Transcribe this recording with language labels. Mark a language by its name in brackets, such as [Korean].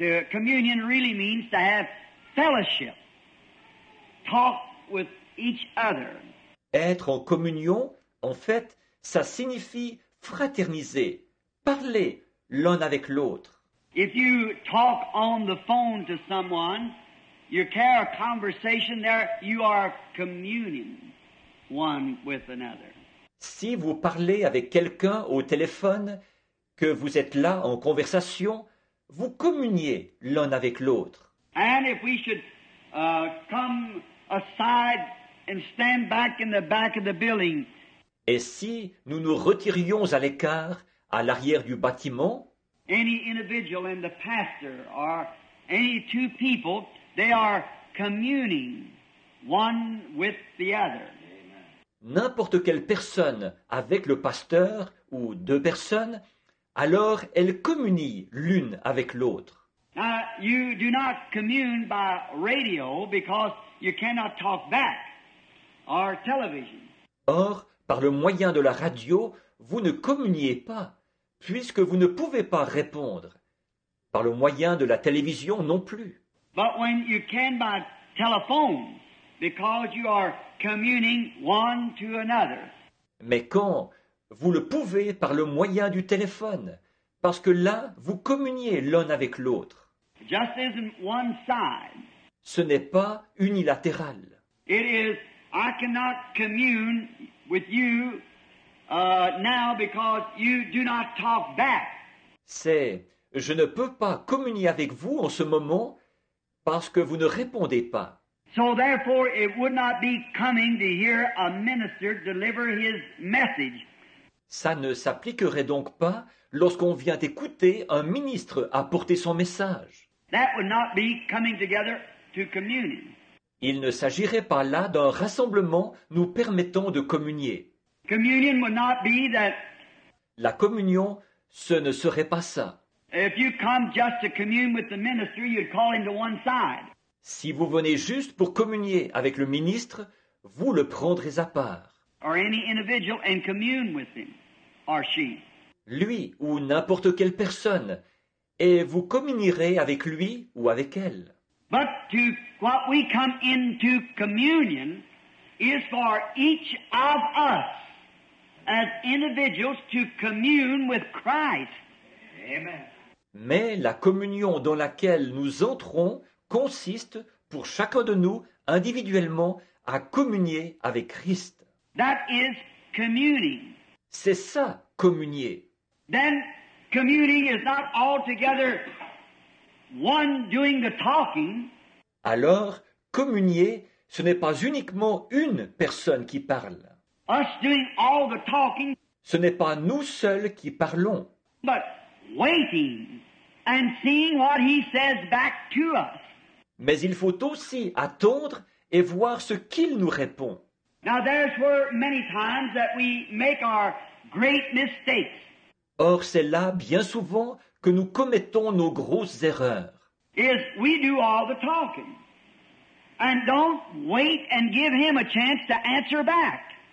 [English] Communion really means to have fellowship. Talk with each other. [French] Être en communion, en fait, ça signifie fraterniser, parler l'un avec l'autre. [English] If you talk on the phone to someone, you carry a conversation there, you are communing one with another. [French] Si vous parlez avec quelqu'un au téléphone, que vous êtes là en conversation, vous communiez l'un avec l'autre. [English] And if we should come aside and stand back in the back of the building. [French] Et si nous nous retirions à l'écart, à l'arrière du bâtiment, [English] any individual and the pastor or any two people, they are communing one with the other. [French] N'importe quelle personne avec le pasteur ou deux personnes, alors elles communient l'une avec l'autre. [English] Now, you do not commune by radio because you cannot talk back or television. [French] Or, par le moyen de la radio, vous ne communiez pas, puisque vous ne pouvez pas répondre. Par le moyen de la télévision non plus. [English] But when you can by telephone, because you are communing one to another. [French] Mais quand vous le pouvez par le moyen du téléphone, parce que là, vous communiez l'un avec l'autre. [English] Just isn't one side. [French] Ce n'est pas unilatéral. [English] It is, I cannot commune with you now because you do not talk back. [French] C'est, je ne peux pas communier avec vous en ce moment parce que vous ne répondez pas. [English] So therefore, it would not be coming to hear a minister deliver his message. [French] Ça ne s'appliquerait donc pas lorsqu'on vient écouter un ministre apporter son message. [English] That would not be coming together to communion. [French] Il ne s'agirait pas là d'un rassemblement nous permettant de communier. [English] Communion would not be that. [French] La communion, ce ne serait pas ça. [English] If you come just to commune with the minister, you'd call him to one side. [French] Si vous venez juste pour communier avec le ministre, vous le prendrez à part. [English] Or any individual and commune with him, or she. [French] Lui ou n'importe quelle personne, et vous communierez avec lui ou avec elle. [English] But to what we come into communion is for each of us as individuals to commune with Christ. Amen. [French] Mais la communion dans laquelle nous entrons consiste pour chacun de nous individuellement à communier avec Christ. [English] That is communing. [French] C'est ça, communier. [English] Then communing is not altogether one doing the talking. [French] Alors, communier, ce n'est pas uniquement une personne qui parle. [English] Us doing all the talking. [French] Ce n'est pas nous seuls qui parlons. [English] But waiting and seeing what he says back to us. [French] Mais il faut aussi attendre et voir ce qu'il nous répond. [English] Now, there's where many times that we make our great mistakes. [French] Or, c'est là, bien souvent, que nous commettons nos grosses erreurs. [English] Is we do all the talking and don't wait and give him a chance to answer back.